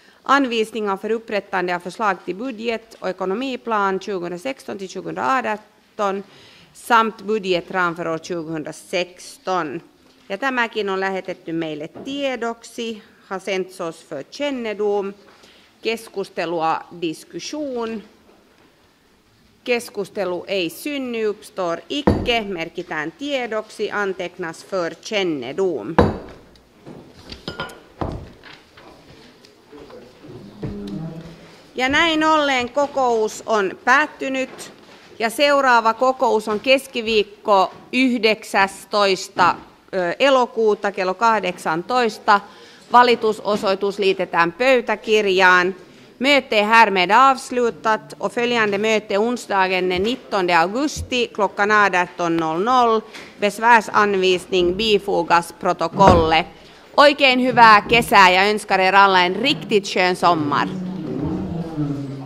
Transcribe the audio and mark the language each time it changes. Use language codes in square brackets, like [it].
[sv] Anvisningar för upprättande av förslag till budget och ekonomiplan 2016-2018 samt budgetram för år 2016. [fi] Ja tämäkin on lähetetty meille tiedoksi. [sv] Har sänts oss för kännedom. [fi] Keskustelua, [sv] diskussion. [fi] Keskustelu ei synny, [sv] uppstår icke. [fi] Merkitään tiedoksi. [sv] Antecknas för kännedom. [fi] Ja näin ollen kokous on päättynyt ja seuraava kokous on keskiviikko 19. elokuuta kello 18. Valitusosoitus liitetään pöytäkirjaan. [sv] Möte härmed avslutat och följande möte onsdagen den 19 augusti klockan 18.00. Besvärsanvisning bifogas protokolle. [fi] Oikein hyvää kesää ja [sv] önskar er alla en riktigt skön sommar. [en] Thank you.